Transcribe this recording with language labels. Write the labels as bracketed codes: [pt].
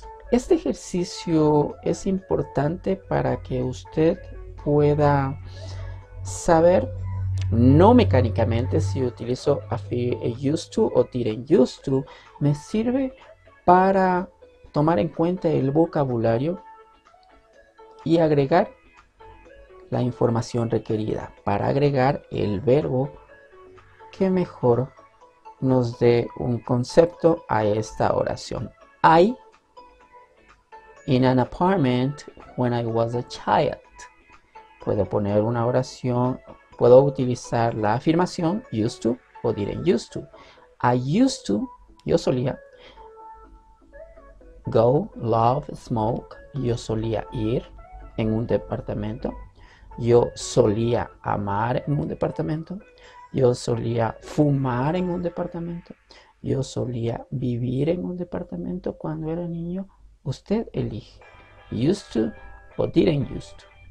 [es] Este ejercicio es importante para que usted pueda saber, no mecánicamente, si utilizo used to o didn't used to, me sirve para tomar en cuenta el vocabulario y agregar la información requerida, para agregar el verbo que mejor nos dé un concepto a esta oración. [en] I In an apartment when I was a child. [es] Puedo poner una oración, puedo utilizar la afirmación used to o didn't used to. [en] I used to, [es] yo solía, [en] go, love, smoke, [es] yo solía ir en un departamento. Yo solía amar en un departamento. Yo solía fumar en un departamento. Yo solía vivir en un departamento cuando era niño. Usted elige, used to o didn't used to.